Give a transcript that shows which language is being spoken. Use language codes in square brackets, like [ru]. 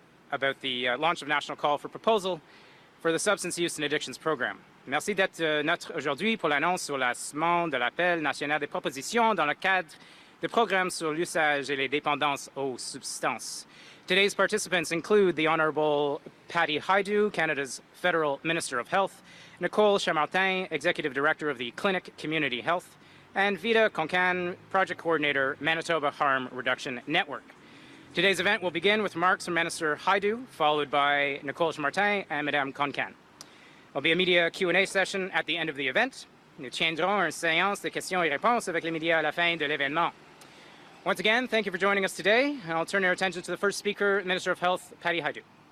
[en] About the launch of National Call for Proposal for the Substance Use and Addictions Program. [fr] Merci d'être notre aujourd'hui pour l'annonce sur lancement de l'appel national des propositions dans le cadre du programme sur l'usage et les dépendances aux substances. [en] Today's participants include the Honorable Patty Haidu, Canada's Federal Minister of Health, Nicole Chamartin, Executive Director of the Clinic Community Health, and Vita Concan, Project Coordinator, Manitoba Harm Reduction Network. Today's event will begin with remarks from Minister Haidu, followed by Nicole Chamartin and Madame Concan. There'll be a media Q&A session at the end of the event. [fr] Nous tiendrons une séance de questions et réponses avec les médias à la fin de l'événement. [en] Once again, thank you for joining us today. I'll turn your attention to the first speaker, Minister of Health, Patty Haidu.